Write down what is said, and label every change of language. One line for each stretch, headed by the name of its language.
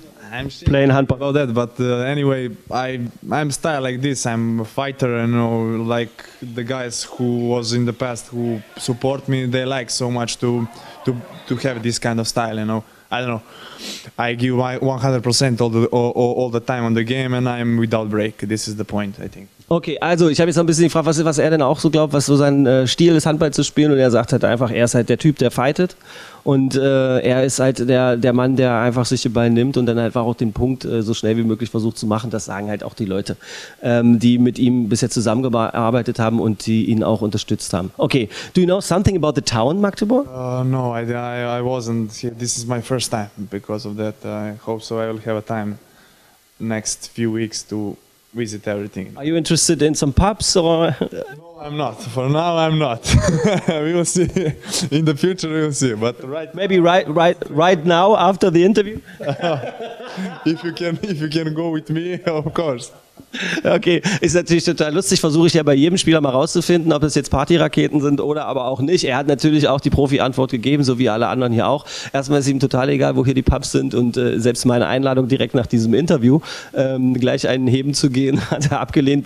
English: I'm sure playing handball about that, but anyway, I'm style like this. I'm a fighter, you know, like the guys who was in the past who support me. They like so much to have this kind of style, you know. I don't know. I give my 100% all the time on the game, and I'm without break. This is the point, I think.
German: Okay, also ich habe jetzt noch ein bisschen gefragt, was er denn auch so glaubt, was so sein Stil ist, Handball zu spielen. Und er sagt halt einfach, er ist halt der Typ, der fightet. Und er ist halt der Mann, der einfach sich den Ball nimmt und dann halt auch den Punkt so schnell wie möglich versucht zu machen. Das sagen halt auch die Leute, die mit ihm bisher zusammengearbeitet haben und die ihn auch unterstützt haben.
English: Okay, do you know something about the town, Magdeburg? No, I wasn't here. This is my first time because of that. I hope so I will have a time next few weeks to visit everything. Are you interested in some pubs or? No, I'm not. For now, I'm not. We will see. In the future, we will see. But right, maybe right now after the interview. if you can go with me, of course.
German: Okay, ist natürlich total lustig, versuche ich ja bei jedem Spieler mal rauszufinden, ob das jetzt Partyraketen sind oder aber auch nicht. Er hat natürlich auch die Profi-Antwort gegeben, so wie alle anderen hier auch. Erstmal ist ihm total egal, wo hier die Pubs sind und selbst meine Einladung direkt nach diesem Interview, gleich einen heben zu gehen, hat er abgelehnt.